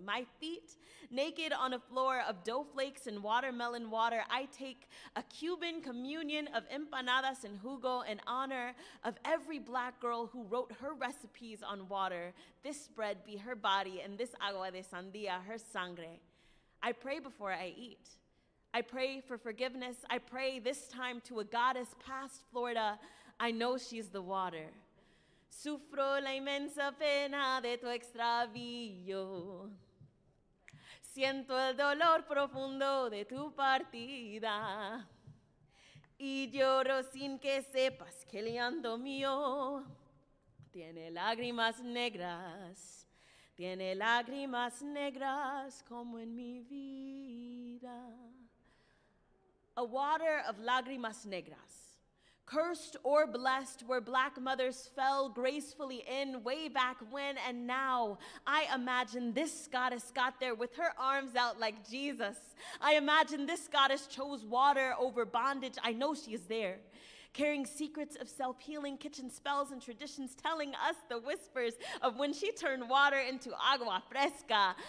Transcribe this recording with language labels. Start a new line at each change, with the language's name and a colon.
English: My feet, naked on a floor of dough flakes and watermelon water, I take a Cuban communion of empanadas and
Spanish: jugo
English: in honor of every Black girl who wrote her recipes on water. This bread be her body and this
Spanish: agua de sandía,
English: her
Spanish: sangre.
English: I pray before I eat. I pray for forgiveness. I pray this time to a goddess past Florida. I know she's the water.
Spanish: Sufro la inmensa pena de tu extravío. Siento el dolor profundo de tu partida. Y lloro sin que sepas que el llanto mío tiene lágrimas negras. Tiene lágrimas negras como en mi vida.
English: A water of
Spanish: lágrimas negras,
English: cursed or blessed, where Black mothers fell gracefully in way back when and now. I imagine this goddess got there with her arms out like Jesus. I imagine this goddess chose water over bondage. I know she is there, carrying secrets of self-healing, kitchen spells and traditions, telling us the whispers of when she turned water into
Spanish: agua fresca.